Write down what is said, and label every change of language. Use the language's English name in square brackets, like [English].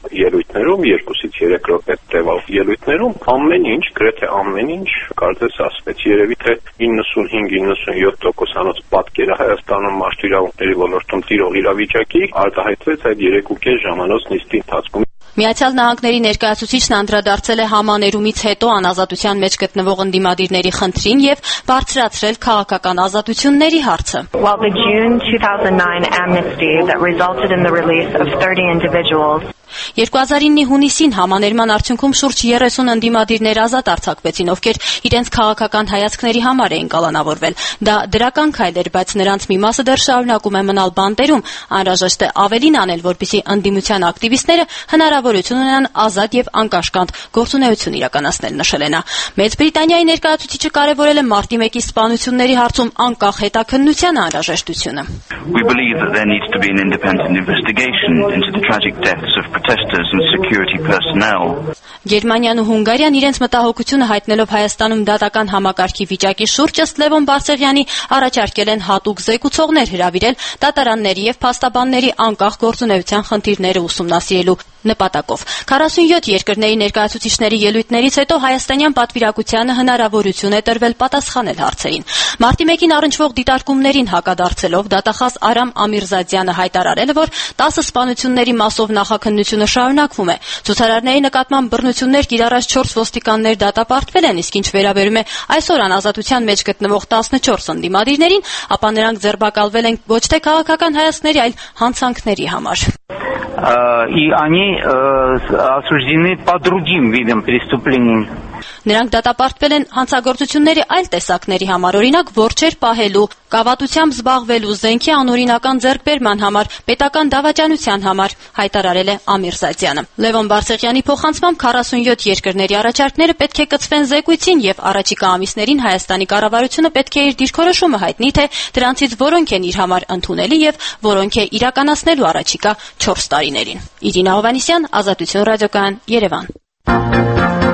[Armenian] ելույթներում, 2-3 րոպե տևող ելույթներում, ամեն ինչ, գրեթե ամեն ինչ կարծես ասվեց, երևի թե 95-97%-անոց պատկերը Հայաստանում մարդու իրավունքների ոլորտում տիրող իրավիճակի արտահայտվեց այդ 3.5 ժամանոց նիստի ընթացքում։ Միացյալ Նահանգների ներկայացուցիչն անդրադարձել է համաներումից հետո անազատության մեջ գտնվող ընդդիմադիրների խնդրին և բարձրացրել քաղաքական ազատությունների հարցը։ [English] Well, the June 2009 amnesty that resulted in the release of 30 individuals. [Armenian] 2009-ի հունիսին համաներման արդյունքում շուրջ 30 ընդդիմադիրներ ազատ արձակվեցին, ովքեր իրենց քաղաքական հայացքների համար էին կալանավորվել։ Դա դրական քայլ էր, բայց նրանց մի մասը դեռ շարունակում է մնալ բանտերում, անհրաժեշտ է ավելին անել, որպեսզի ընդդիմության ակտիվիստները հնարավորություն ունենան ազատ և անկաշկանդ գործունեություն իրականացնել, նշել են։ Մեծ Բրիտանիայի ներկայացուցիչը կարևորել է մարտի 1-ի սպանությունների հարցում անկախ հետաքննության անհրաժեշտությունը։ [English] We believe that there needs to be an independent investigation into the tragic deaths of protesters and security personnel. [Armenian] Գերմանիան ու Հունգարիան իրենց մտահոգությունը հայտնելով Հայաստանում դատական համակարգի վիճակի շուրջ, ըստ Լևոն Բարսեղյանի, առաջարկել են հատուկ զեկուցողներ հրավիրել դատարանների և փաստաբանների անկախ գործունեության խնդիրները ուսումնասիրելու։ նպատակով։ 47 երկրների ներկայացուցիչների ելույթներից հետո Հայաստանյան պատվիրակությանը հնարավորություն է տրվել պատասխանել հարցերին։ Մարտի 1-ին առնչվող դիտարկումներին հակադարձելով դատախազ Արամ Ամիրզադյանը հայտարարել է, որ 10 սպանությունների մասով նախաքննությունը շարունակվում է։ Ցուցարարների նկատմամբ բռնություններ կիրառած 4 ոստիկաններ դատապարտվել են, իսկ ինչ վերաբերում է այսօր անազատության մեջ գտնվող 14 ընդդիմադիրներին, ապա նրանք ձերբակալվել են ոչ թե քաղաքական հայացքների, այլ հանցանքների համար։ [Russian] И они осуждены по другим видам преступлений. [Armenian] Նրանք դատապարտվել են հանցագործությունների այլ տեսակների համար, օրինակ որջեր պահելու, կավատությամբ զբաղվելու, զենքի անօրինական ձեռքբերման համար, պետական դավաճանության համար, հայտարարել է Ամիրզադյանը։ Լևոն Բարսեղյանի փոխանցումը 47 երկրների առաջարկները պետք է կցվեն զեկույցին եւ առաջիկա ամիսներին Հայաստանի կառավարությունը պետք է իր դիրքորոշումը հայտնի, թե դրանցից որոնք են իր համար ընդունելի եւ որոնք է իրականացնելու առաջիկա 4 տարիներին։ Իրինա Հովանեսյան, Ազատություն ռադիոկան, Երևան։